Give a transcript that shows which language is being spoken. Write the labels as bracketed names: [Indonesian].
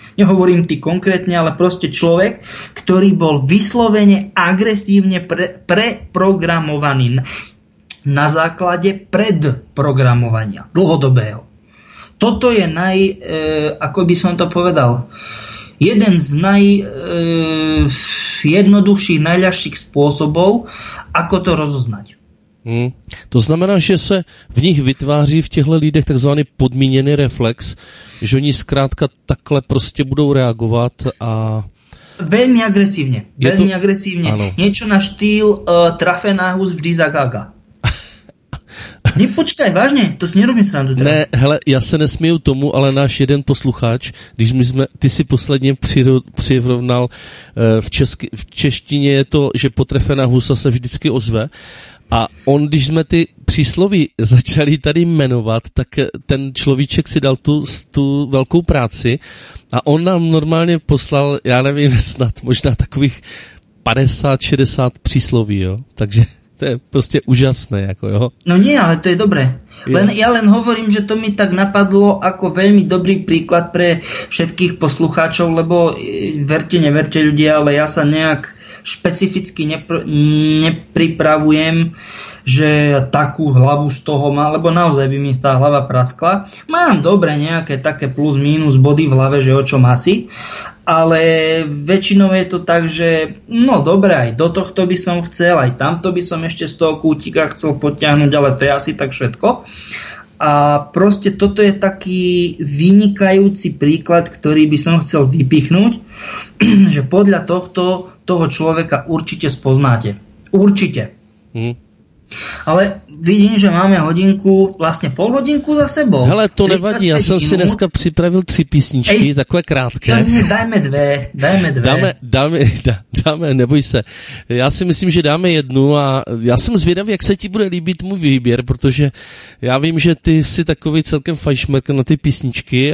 [Slovak] Nehovorím ty konkrétne, ale proste človek, ktorý bol vyslovene agresívne preprogramovaný na základe predprogramovania dlhodobého. Toto je naj, ako by som to povedal, jeden z najjednoduchších, najľahších spôsobov, ako to rozoznať. [Czech] To znamená, že se v nich vytváří v těchto lidech takzvaný podmíněný reflex, že oni zkrátka takhle prostě budou reagovat a... Velmi agresivně, velmi agresivně. Něco na štýl trafená hus vždy za gaga. [Slovak] Nepočkaj, vážně, to si nerobím srandu. [Czech] Ne, hele, já se nesmiju tomu, ale náš jeden posluchač, když my jsme, ty si posledně přirovnal v češtině je to, že potrefená husa se vždycky ozve, a on, když jsme ty přísloví začali tady jmenovat, tak ten človíček si dal tu velkou práci a on nám normálně poslal, já nevím, snad možná takových 50-60 přísloví, jo? Takže to je prostě úžasné, jako jo. [Slovak] No nie, ale to je dobré. Ja len hovorím, že to mi tak napadlo ako veľmi dobrý príklad pre všetkých poslucháčov, lebo verte, neverte ľudia, ale ja sa nejak špecificky nepripravujem, že takú hlavu z toho má, lebo naozaj by mi tá hlava praskla. Mám dobre nejaké také plus minus body v hlave, že o čom asi, ale väčšinou je to tak, že no dobre, aj do tohto by som chcel, aj tamto by som ešte z toho kútika chcel potiahnuť, ale to je asi tak všetko. A proste toto je taký vynikajúci príklad, ktorý by som chcel vypichnúť, že podľa tohto toho človeka určite spoznáte. Určite. Ale vidím, že máme hodinku, vlastne pol hodinku za sebou. Hele, to nevadí, ja som si dneska pripravil 3 písničky, takové krátke. Dajme dve, neboj sa. Ja si myslím, že dáme jednu a ja som zvedavý, jak sa ti bude líbiť môj výbier, pretože ja vím, že ty si takový celkem fajšmerk na ty písničky.